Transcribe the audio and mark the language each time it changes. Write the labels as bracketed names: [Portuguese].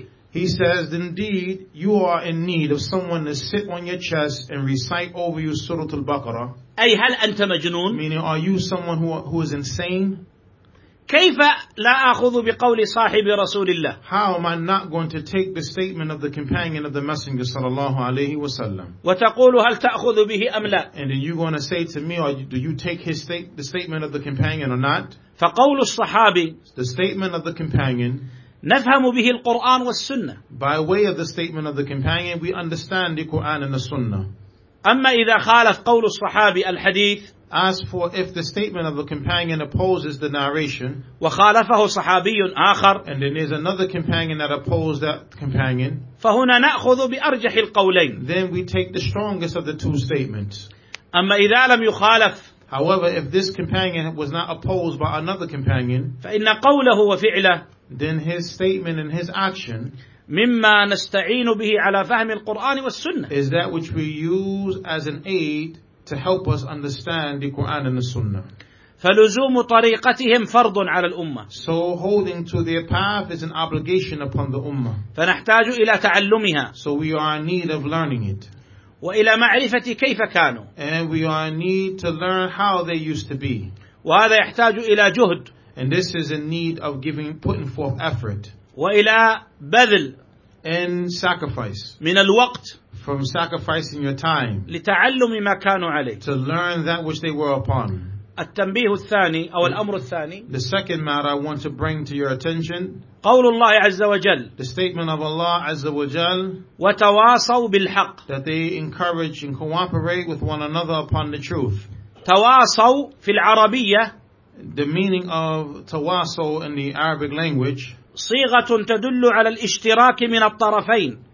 [English] He says, indeed, you are in need of someone to sit on your chest and recite over you Surah Al-Baqarah. [Arabic] أي هل أنت مجنون? [English] Meaning, are you someone who is insane? [Arabic] كيف لا أخذ بقول صاحب رسول الله? [English] How am I not going to take the statement of the companion of the Messenger [Arabic] صلى الله عليه وسلم? وتقول هل تأخذ به أم لا? [English] And then you're going to say to me, do you take the statement of the companion or not? [Arabic] فقول الصحابي [English] the statement of the companion [Arabic] نفهم به القرآن والسنة. [English] By way of the statement of the companion, we understand the Quran and the Sunnah. [Arabic] أما إذا خالف قول الصحابي الحديث [English] As for if the statement of the companion opposes the narration, [Arabic] وخالفه صحابي آخر, [English] and then there's another companion that opposed that companion, [Arabic] فهنا نأخذ بأرجح القولين. [English] Then we take the strongest of the two statements. [Arabic] أما إذا لم يخالف, [English] however, if this companion was not opposed by another companion, [Arabic] فإن قوله وفعله, [English] then his statement and his action. [Arabic] مما نستعين به على فهم القرآن والسنة. [English] Is that which we use as an aid. to help us understand the Quran and the Sunnah. [Arabic] فلزوم طريقتهم فرض على الأمة. [English] So holding to their path is an obligation upon the Ummah. [Arabic] فنحتاج إلى تعلمها. [English] So we are in need of learning it. [Arabic] وإلى معرفة كيف كانوا. [English] And we are in need to learn how they used to be. [Arabic] وهذا يحتاج إلى جهد. [English] And this is in need of giving, putting forth effort. [Arabic] وإلى بذل. [English] And sacrifice. [Arabic] من الوقت. [English] From sacrificing your time. [Arabic] لتعلم ما كانوا عليه. [English] To learn that which they were upon. [Arabic] التنبيه الثاني أو الأمر الثاني. [English] The second matter I want to bring to your attention. [Arabic] قول الله عز وجل. [English] The statement of Allah عز وجل. [Arabic] وتواصوا بالحق. [English] That they encourage and cooperate with one another upon the truth. [Arabic] تواصوا في العربية. [English] The meaning of تواصوا in the Arabic language. [Arabic] صيغة تدل على الاشتراك من الطرفين.